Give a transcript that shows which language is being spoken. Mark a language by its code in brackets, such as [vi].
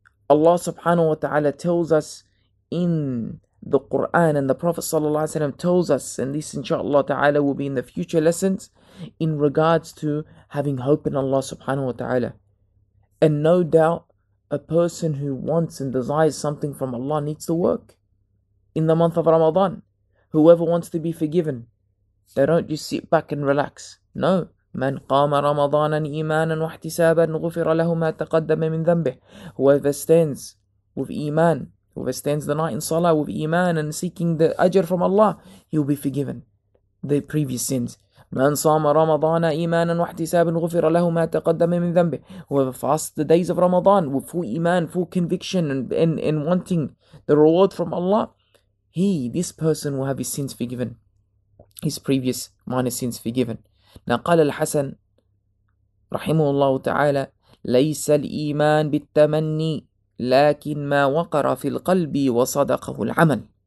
[en] Allah subhanahu wa ta'ala tells us in the Quran, and the Prophet sallallahu alaihi wasallam tells us, and this inshaAllah ta'ala will be in the future lessons, in regards to having hope in Allah subhanahu wa ta'ala. And no doubt, a person who wants and desires something from Allah needs to work in the month of Ramadan. Whoever wants to be forgiven, they don't just sit back and relax. No. [ar] من قام رمضانا إيمانا واحتسابا غفر له ما تقدم من ذنبه. [en] Whoever stands with إيمان, whoever stands the night in Salah with إيمان and seeking the أجر from Allah, he'll be forgiven the previous sins. [ar] من صام رمضان إيمانا واحتسابا غفر له ما تقدم من ذنبه. [en] Whoever fasts the days of Ramadan with full إيمان, full conviction and wanting the reward from Allah, this person will have his sins forgiven, his previous minor sins forgiven. [ar] نقال الحسن رحمه الله تعالى ليس الإيمان بالتمني لكن ما وقر في القلب وصدقه العمل.